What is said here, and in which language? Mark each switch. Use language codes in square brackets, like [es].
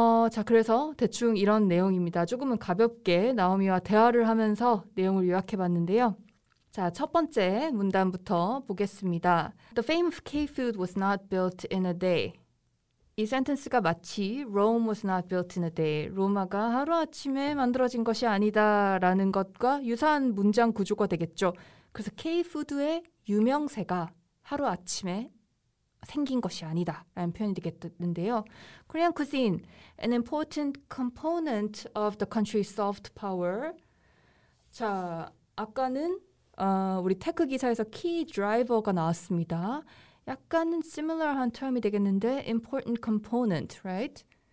[ko] 자 그래서 대충 이런 내용입니다. 조금은 가볍게 나오미와 대화를 하면서 내용을 요약해봤는데요. 자, 첫 번째 문단부터 보겠습니다. [en] The fame of K-food was not built in a day. [ko] 이 sentence가 마치 [en] Rome was not built in a day. [ko] 로마가 하루아침에 만들어진 것이 아니다 라는 것과 유사한 문장 구조가 되겠죠. 그래서 K-food의 유명세가 하루아침에 생긴 것이 아니다 라는 표현이 되겠는데요. [en] Korean cuisine, an important component of the country's soft power. [ko] 자, 아까는 우리 테크 기사에서 key driver가 나왔습니다. 약간은 similar한 term이 되겠는데 [en] important component, right?